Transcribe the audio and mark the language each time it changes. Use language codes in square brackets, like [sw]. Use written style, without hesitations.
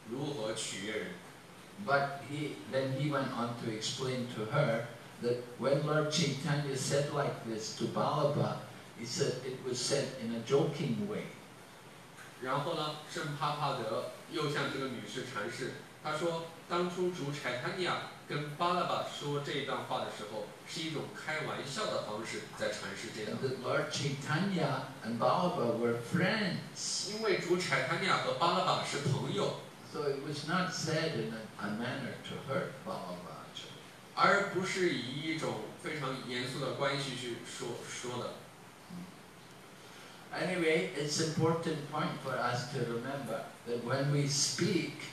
[zh] 所以呢，圣帕帕德给这个女士回信说：“请你原谅我的门徒，他们没有学会如何说真话，如何取悦人。” [en] But he went on to explain to her that when Lord Chaitanya said like this to Balaba, he said it was said in a joking way. [zh] 然后呢，圣帕帕德又向这个女士阐释，他说：“当初主柴塔涅。” 跟巴拉巴说这段话的时候，是一种开玩笑的方式在阐释这样。 [en] The Lord Chaitanya and Balaba were friends. [zh] 因为主柴塔涅和巴拉巴是朋友。 [en] So it was not said in a manner to hurt Balaba. [zh] 而不是以一种非常严肃的关系去说的。 [en] Anyway, it's an important point for us to remember that when we speak.